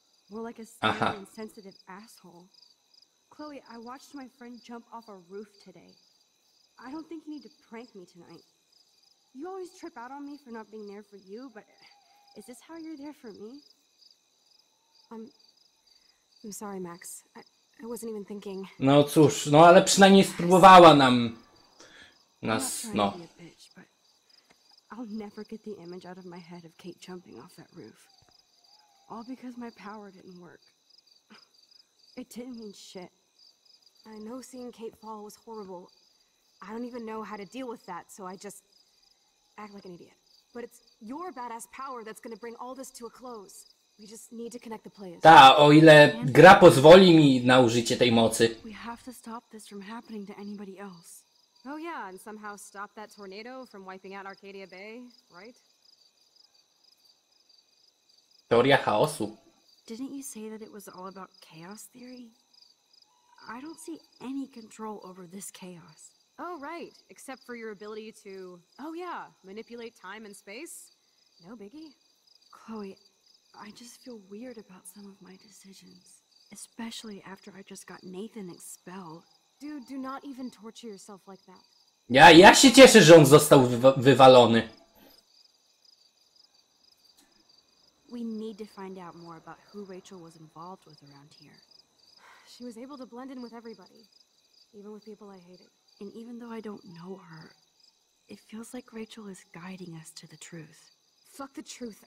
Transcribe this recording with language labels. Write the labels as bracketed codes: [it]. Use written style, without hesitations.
[en] More like a scary and sensitive asshole. Chloe, I watched my friend jump off a roof today. I don't think you need to prank me tonight. You always trip out on me for not being there for you, but is this how you're there for me? I'm sorry, Max. I wasn't even thinking. [pl] No cóż, no ale przynajmniej spróbowała nas, no. [en] I'll never get the image out of my head of Kate jumping off that roof. All because my power didn't work. It didn't mean shit. I know seeing Kate fall was horrible. I don't even know how to deal with that, so I just act like an idiot. But it's your badass power that's gonna bring all this to a close. We just need to connect the players. [pl] Ta, o ile gra pozwoli mi na użycie tej mocy. [en] We have to stop this from happening to anybody else. Oh yeah, and somehow stop that tornado from wiping out Arcadia Bay, right? [pl] Teoria chaosu. [en] Didn't you say that it was all about chaos theory? I don't see any control over this chaos. Oh right, except for your ability to, oh yeah, manipulate time and space. No biggie. Chloe, I just feel weird about some of my decisions. Especially after I just got Nathan expelled. Dude, do not even torture yourself like that. [pl] Ja się cieszę, że on został wywalony. [en] We need to find out more about who Rachel was involved with around here. She was able to blend in with everybody, even with people I hated. And even though I don't know her, it feels like Rachel is guiding us to the truth. Fuck the truth.